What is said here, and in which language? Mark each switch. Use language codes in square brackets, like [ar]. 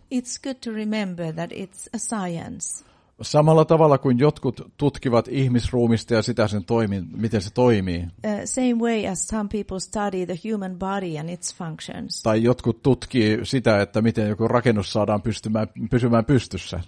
[en] It's good to remember that it's a science. [fi] Samalla tavalla kuin jotkut tutkivat ihmisruumista ja sitä sen miten se toimii. [en] Same way as some people study the human body and its functions. [fi] Tai jotkut tutkii sitä, että miten joku rakennus saadaan pysymään pystyssä.